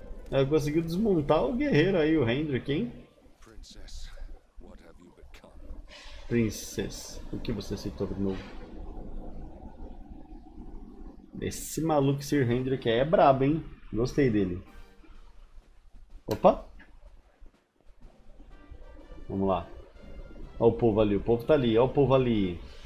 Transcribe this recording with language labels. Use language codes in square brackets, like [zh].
[pt] Ela conseguiu desmontar o guerreiro aí, o Hendrik, hein? [en] Princess, what have you become? [pt] Princess, o que você se tornou? Esse maluco Sir Hendrik é brabo, hein? Gostei dele. Opa. Vamos lá. Olha o povo ali, o povo tá ali, olha o povo ali.